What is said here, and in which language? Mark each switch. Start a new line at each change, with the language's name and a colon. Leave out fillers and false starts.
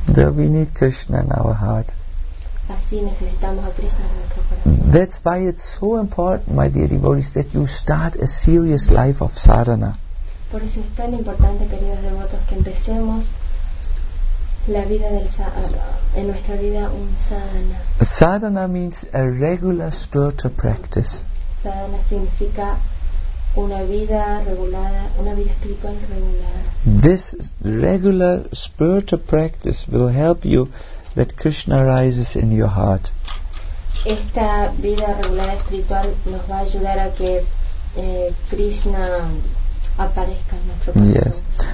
English: So we need Krishna in our heart.
Spanish: Así necesitamos a Krishna en nuestro corazón.
English: That's why it's so important, my dear devotees, that you start a serious life of sadhana.
Spanish: Por eso es tan importante, queridos devotos, que empecemos en nuestra vida un sadhana.
English: Sadhana means a regular spiritual practice.
Spanish: Sadhana significa una vida regulada, una vida espiritual regulada.
English: This regular spiritual practice will help you that Krishna rises in your heart.
Spanish: Esta vida regulada espiritual nos va a ayudar a que Krishna aparezca en nuestro corazón.